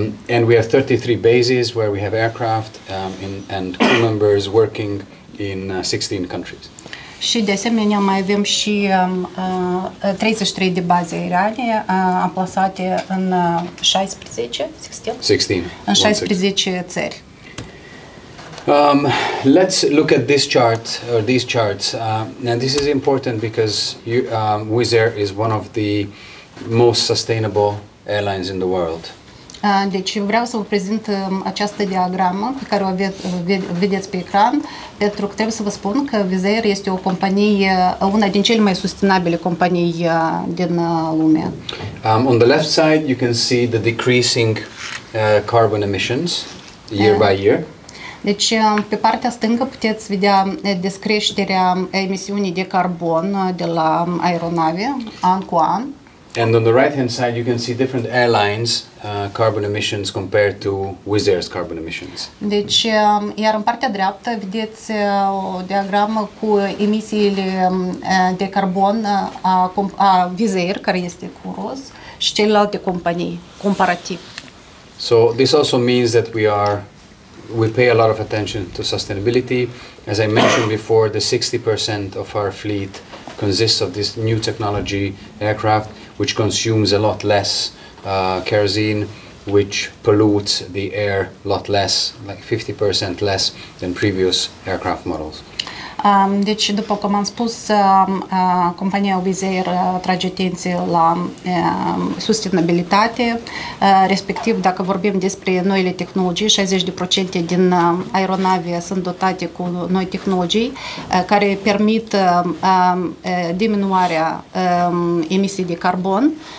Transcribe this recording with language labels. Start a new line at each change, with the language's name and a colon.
English: And we have 33 bases where we have aircraft and crew members working in 16 countries.
Romanian: Și de asemenea mai avem și 33 de baze aeriene amplasate în 16 țări.
English: Let's look at this chart or these charts. And this is important because Wizz Air is one of the most sustainable airlines in the world.
Romanian: Deci vreau să vă prezint această diagramă pe care o vedeți pe ecran, pentru că trebuie să vă spun că Wizz Air este o companie, una din cele mai sustenabile companii din lume.
English: On the left side you can see the decreasing carbon emissions year by year.
Romanian: Deci pe partea stângă puteți vedea descreșterea emisiunii de carbon de la aeronave an cu an.
English: And on the right-hand side, you can see different airlines' carbon emissions compared to Wizz Air's carbon emissions.
Romanian: Deci, iar în partea dreaptă vedeți o diagramă cu emisiile de carbon a Wizz Air, care este cu roz, și celelalte companii, comparativ.
English: So this also means that we pay a lot of attention to sustainability. As I mentioned before, the 60% of our fleet consists of this new technology aircraft, which consumes a lot less kerosene, which pollutes the air a lot less, like 50% less than previous aircraft models.
Romanian: Deci, după cum am spus, compania Wizz Air atrage atenție la sustenabilitate, respectiv, dacă vorbim despre noile tehnologii, 60% din aeronave sunt dotate cu noi tehnologii care permit diminuarea emisiei de carbon.